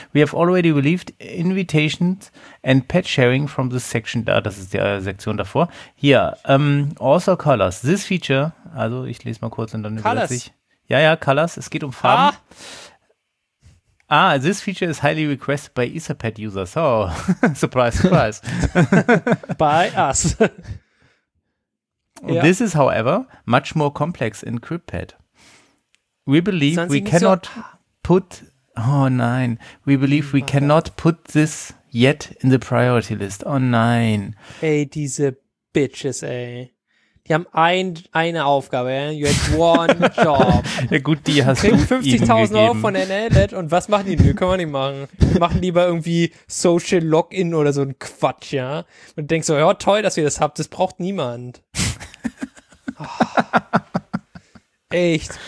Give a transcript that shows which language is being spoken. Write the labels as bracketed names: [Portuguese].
[English] We have already relieved invitations and patch sharing from the section. [German] Da, das ist die Sektion davor. Hier, also Colors. [English] This feature, [German] also ich lese mal kurz und dann übersetze ich. Ja, Colors. Es geht um Farben. [English] This feature is highly requested by Etherpad users. Oh, surprise, surprise. By us. Yeah. This is, however, much more complex in QuickPad. We believe we cannot put... [German] Oh, nein. [English] We believe we cannot put this yet in the priority list. [German] Oh, nein. Ey, diese Bitches, ey. Die haben eine Aufgabe, ja? [English] You had one job. [German] Ja gut, die hast du 50.000 Euro von NLNet und was machen die? Nö, können wir nicht machen. Wir machen lieber irgendwie Social Login oder so ein Quatsch, ja? Und du denkst so, ja toll, dass ihr das habt, das braucht niemand. Oh. Echt?